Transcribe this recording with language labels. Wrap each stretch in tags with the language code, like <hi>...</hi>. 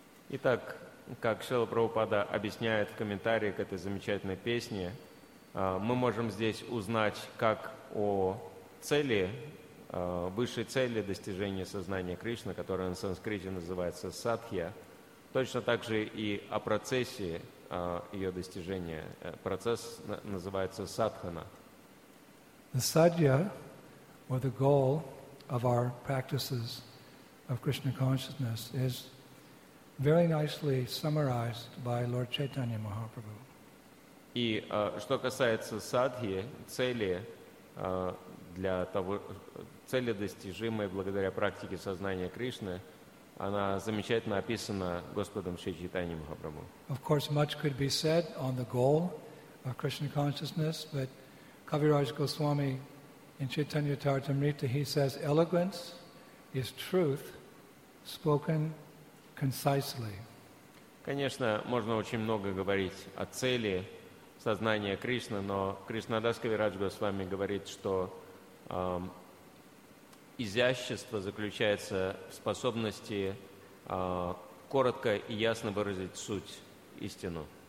<ru>Итак, как Śrīla Prabhupāda объясняет в комментарии к этой замечательной песне, мы можем здесь узнать как о цели, высшей цели достижения сознания Кришны, которая на санскрите называется садхья, точно так же и о процессе ее достижения. Процесс называется садхана.</ru> <en>The sadhya, or the goal of our practices of Krishna consciousness, is very nicely summarized by Lord Chaitanya Mahaprabhu.</en> <ru>И что касается садхи, цели для того, цели, достижимые благодаря практике сознания Кришны, она замечательно описана Господом Шри Чайтаньей Махапрабху.</ru> <en>Of course, much could be said on the goal of Krishna consciousness, but Kaviraj Goswami in Chaitanya Charitamrita, he says, eloquence is truth spoken concisely.</en> <ru>Конечно, можно очень много говорить о цели, сознание Кришны, но Кришнадас Кавирадж Госвами говорит, что изящество заключается в способности коротко и ясно выразить суть, истину.</ru>